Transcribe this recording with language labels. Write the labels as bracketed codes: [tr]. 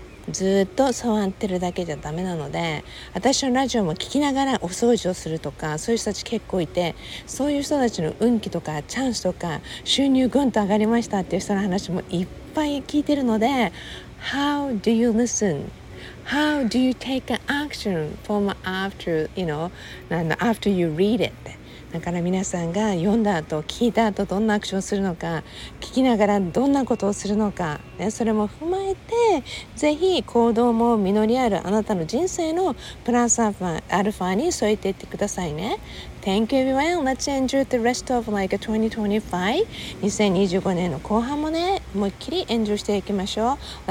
[ja] ずっとそうやってるだけじゃダメなので、私のラジオも聞きながらお掃除をするとか、そういう人たち結構いて、そういう人たちの運気とかチャンスとか収入ぐんと上がりましたっていう人の話もいっぱい聞いてるので、 [en] How do you listenHow do you take action from after, you know, after you read it? [ja] だから皆さんが読んだ後、聞いた後どんなアクションをするのか、聞きながらどんなことをするのか、ね、それも踏まえて、ぜひ行動も実りあるあなたの人生のプラスアルファに添えていってくださいね。 [en] Thank you everyone. Let's enjoy the rest of like 2025. [ja] 2025年の後半もね、思いっきりエンジョイしていきましょう。